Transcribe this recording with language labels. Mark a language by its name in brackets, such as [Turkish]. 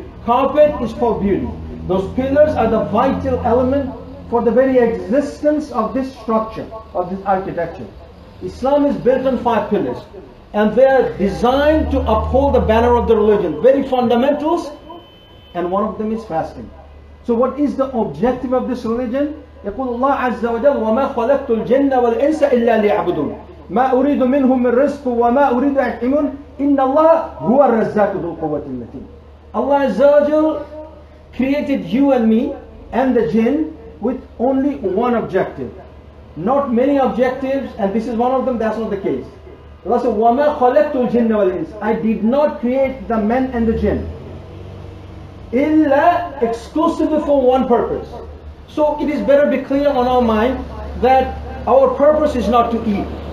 [English] Carpet is for beauty. Those pillars are the vital element for the very existence of this structure, of this architecture. Islam is built on five pillars, and they are designed to uphold the banner of the religion. Very fundamentals, and one of them is fasting. So what is the objective of this religion? [Arabic] يقول الله عز وجل وما خلقت الجن والإنس إلا ليعبدون ما أريد منهم من رزق وما أريد أن يطعمون إن الله هو الرزاق ذو القوة المتين. [English] Allah عز وجل created you and me and the jinn with only one objective. Not many objectives, and this is one of them, that's not the case. Allah said, [Arabic] وَمَا خَلَقْتُ الْجِنَّ وَالْإِنسِ, [English] I did not create the men and the jinn. إِلَّا exclusively for one purpose. So it is better be clear on our mind that our purpose is not to eat.